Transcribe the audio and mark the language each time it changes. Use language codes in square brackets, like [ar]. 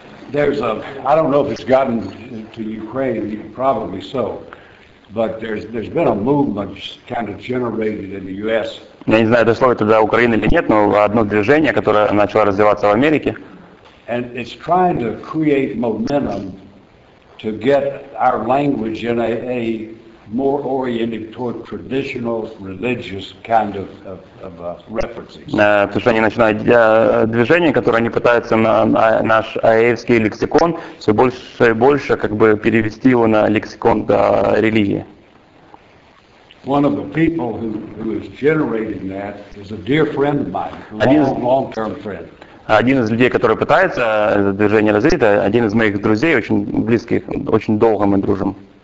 [en] There's a I don't know if it's gotten to Ukraine, probably so, but there's been a movement kind of generated in the U.S. [ru] Я не знаю, дошло это до Украины или нет, но одно движение, которое начало развиваться в Америке. [en] And it's trying to create momentum to get our language in a more oriented toward traditional religious kind of references. [ru] То есть они начинают движение, которое они пытаются на наш аэвский лексикон все больше и больше как бы перевести его на лексикон религии. [en] One of the people who is generating that is a dear friend of mine, long-term friend. [ru] Один из людей, который пытается это движение развить, это один из моих друзей, очень близких, очень долго мы дружим.